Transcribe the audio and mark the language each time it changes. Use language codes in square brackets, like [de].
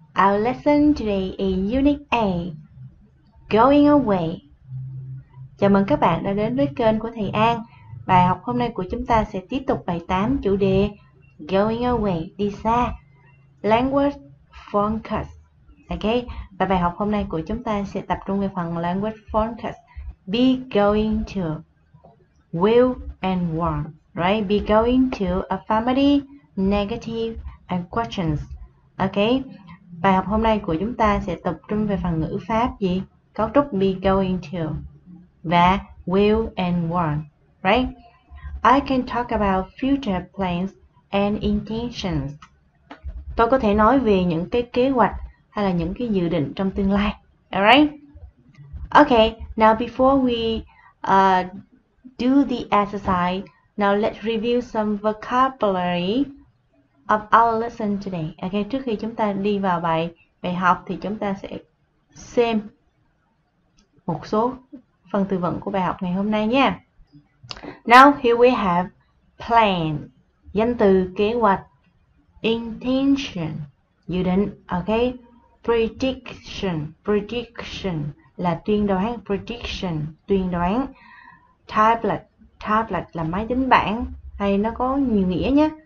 [en] Our lesson today is Unit A, Going Away. [vi] Chào mừng các bạn đã đến với kênh của thầy An. Bài học hôm nay của chúng ta sẽ tiếp tục bài 8 chủ đề [en] Going Away, [vi] đi xa. [en] Language Focus. Okay. [vi] Và bài học hôm nay của chúng ta sẽ tập trung về phần Language Focus. [en] Be going to, will and want. Right? Be going to affirmative, negative and questions. Okay. [vi] Bài học hôm nay của chúng ta sẽ tập trung về phần ngữ pháp gì? Cấu trúc be going to và will and want. [en] Right? I can talk about future plans and intentions. [vi] Tôi có thể nói về những cái kế hoạch hay là những cái dự định trong tương lai. [en] Alright? Okay. Now before we do the exercise, now let's review some vocabulary of our lesson today. [vi] Okay, trước khi chúng ta đi vào bài học thì chúng ta sẽ xem một số phần từ vựng của bài học ngày hôm nay nha. Now here we have plan, danh từ kế hoạch, intention, dự định, okay, prediction là tuyên đoán, prediction tuyên đoán, tablet là máy tính bảng, hay nó có nhiều nghĩa nhé.